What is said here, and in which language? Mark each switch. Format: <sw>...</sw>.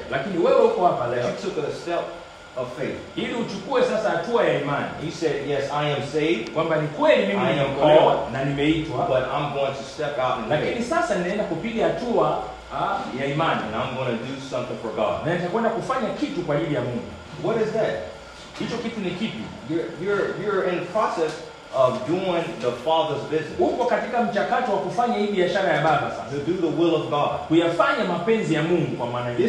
<sw>Lakini wewe uko hapa leo.</sw> <en>You took a step of faith.</en> <sw>Ili uchukue sasa hatua ya imani.</sw> <en>You said, "Yes, I am saved."</en> <sw>Kwamba ni kweli mimi nimeokolewa na nimeitwa.</sw> <en>But I'm going to step out in faith.</en> <sw>Lakini sasa ninaenda kupiga hatua ya imani.</sw> <en>And I'm going to do something for God.</en> <sw>Na nitakwenda kufanya kitu kwa ajili ya Mungu.</sw> <en>What is that?</en> <sw>Hicho kitu ni kipi?</sw> <en>You're in the process of doing the Father's business.</en> <sw>Uko katika mchakato wa kufanya hii biashara ya Baba sasa.</sw> <en>To do the will of God.</en> <sw>Kuyafanya mapenzi ya Mungu kwa maana hiyo.</sw>